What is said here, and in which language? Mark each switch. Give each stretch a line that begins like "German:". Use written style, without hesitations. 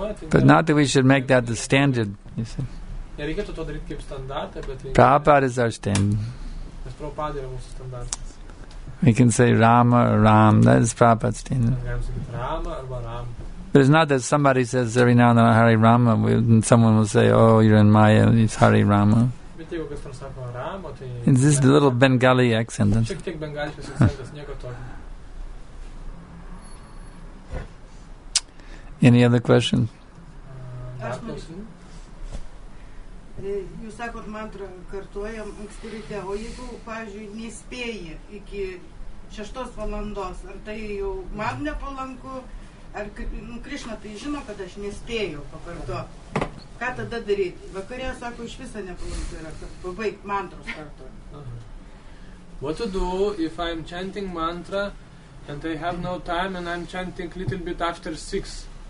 English: But not that we should make that the standard, you see.
Lithuanian: Nereikėtų to daryti kaip standartą, bet...
English: Prabhupada is our standard.
Lithuanian: Nes Prabhupada yra mūsų standartas.
English: We can say Rama or Ram. That is Prabhupada's standard.
Lithuanian: Galim sakyti Rama arba Ram.
English: But it's not that somebody says every now and then Hari Rama, and someone will say, oh, you're in Maya, it's Hari Rama.
Lithuanian: Bet jeigu kas nors sako Rama, tai...
English: It's just a little Bengali accent.
Lithuanian: Šiek tiek bengališkas akcentas, nieko tokio.
English: Any other question?
Lithuanian: Jūs sakot mantrą kartuojam anksti ryte, o jeigu, pavyzdžiui, nespėji iki 6 valandos, ar tai jau man nepalanku, ar Krišna tai žino, kad aš nespėjau pakarto, ką tada daryti? Vakare, sako, iš viso nepalanku yra, kad pabaig mantros kartu.
English: What to do if I'm chanting mantra and I have no time and I'm chanting little bit after 6?